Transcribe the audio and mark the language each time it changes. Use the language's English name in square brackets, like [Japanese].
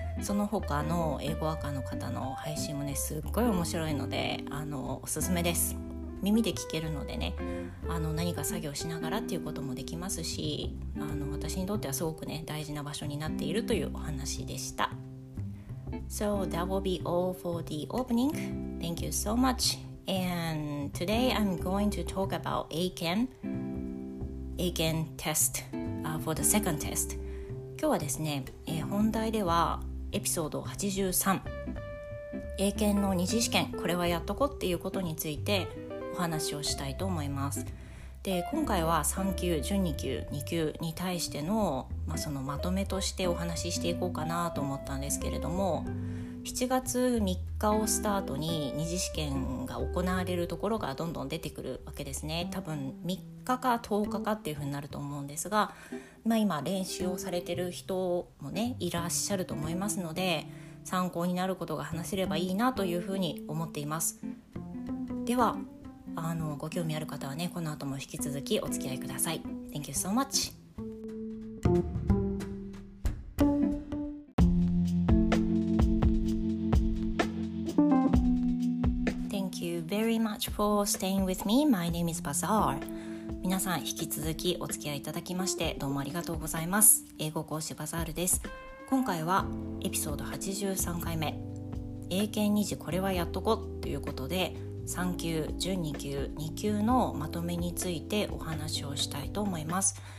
[Japanese] その他の英語アカの方の配信もねすっごい面白いのでおすすめです。耳で聞けるのでね、何か作業しながらっていうこともできますし、私にとってはすごくね大事な場所になっているというお話でした。 [English] So that will be all for the opening. Thank you so much. And today I'm going to talk about AKEN test, for the second test. [Japanese] 今日はですね、本題ではエピソード83、英検の二次試験、これはやっとこっていうことについてお話をしたいと思います。で今回は3級、準2級、2級に対しての、まあ、そのまとめとしてお話ししていこうかなと思ったんですけれども、7月3日をスタートに二次試験が行われるところがどんどん出てくるわけですね。多分3日か10日かっていうふうになると思うんですが、まあ、今練習をされてる人もねいらっしゃると思いますので、参考になることが話せればいいなというふうに思っています。ではご興味ある方はねこの後も引き続きお付き合いください。 [English] Thank you so much。 For staying with me, my name is Bazaar. [Japanese] 皆さん引き続きお付き合いいただきましてどうもありがとうございます。英語講師バザールです。今回はエピソード83回目、英検2次これはやっとこということで、3級、準2級、2級のまとめについてお話をしたいと思います。